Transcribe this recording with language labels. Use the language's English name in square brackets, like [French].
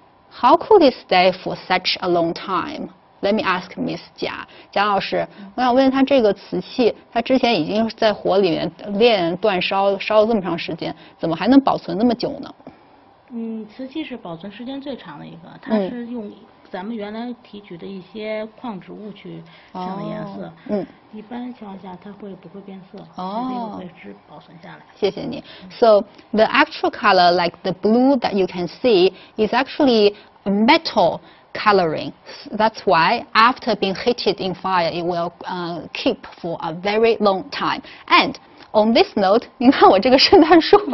[English] How could it stay for such a long time? Let me ask Miss Jia. [Chinese] 贾老师，我想问他这个瓷器，他之前已经在火里面炼煅烧，烧了这么长时间，怎么还能保存那么久呢？瓷器是保存时间最长的一个，它是用咱们原来提取的一些矿植物去上的颜色。一般情况下它会不会变色，所以会只保存下来。谢谢你。 [English] So the actual color, like the blue that you can see, is actually metal coloring. That's why after being heated in fire, it will keep for a very long time. And on this note, [Chinese] 您看我这个圣诞树。